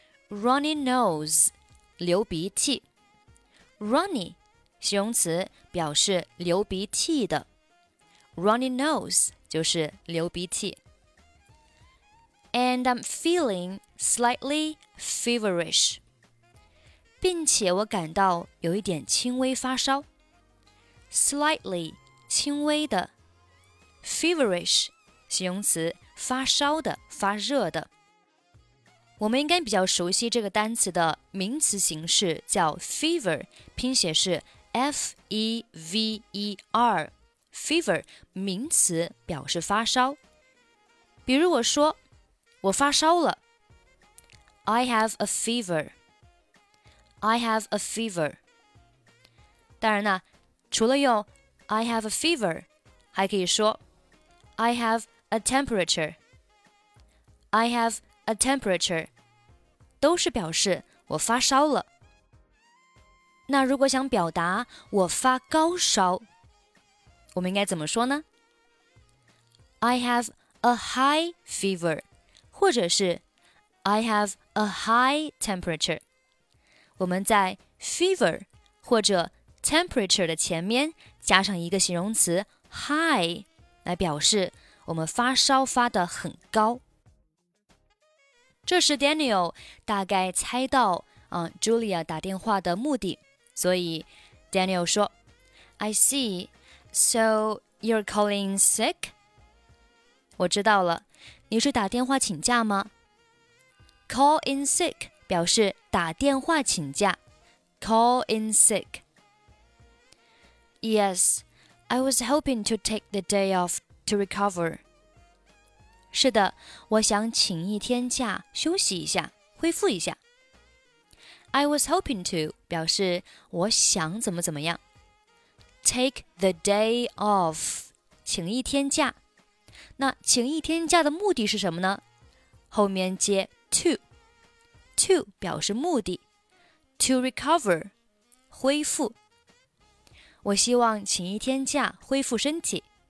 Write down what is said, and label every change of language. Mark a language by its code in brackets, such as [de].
[en] runny nose, [zh] 流鼻涕。 Runny, 形容词表示流鼻涕的。 [en] Runny nose [zh] 就是流鼻涕。 [en] And I'm feeling slightly feverish. [zh] 并且我感到有一点轻微发烧。Slightly, 轻微的。 Feverish, 形容词发烧的、发热的。我们应该比较熟悉这个单词的名词形式叫 fever, 拼写是 F-E-V-E-R, fever, 名词表示发烧。比如我说我发烧了。 [en] I have a fever. I have a fever. [zh] 当然呢除了用 [en] I have a fever, [zh] 还可以说 [en] I have a temperature. I have a temperature. [zh] 都是表示我发烧了。那如果想表达我发高烧，我们应该怎么说呢？ [en] I have a high fever, [zh] 或者是 [en] I have a high temperature. [zh] 我们在 fever 或者 temperature 的前面加上一个形容词 high, 来表示我们发烧发得很高。这时 Daniel 大概猜到、Julia 打电话的目的，所以 Daniel 说 [en] I see, so you're calling sick? [zh] 我知道了，你是打电话请假吗？ [en] Call in sick [zh] 表示打电话请假。 [en] Call in sick. Yes, I was hoping to take the day off to recover. [zh] 是的，我想请一天假休息一下，恢复一下。 [en] I was hoping to [zh] 表示我想怎么怎么样。 [en] Take the day off [zh] 请一天假。那请一天假的目的是什么呢？后面接 to。To 表示目的。 [en] To recover [zh] 恢复。我希望请一天假恢复身体。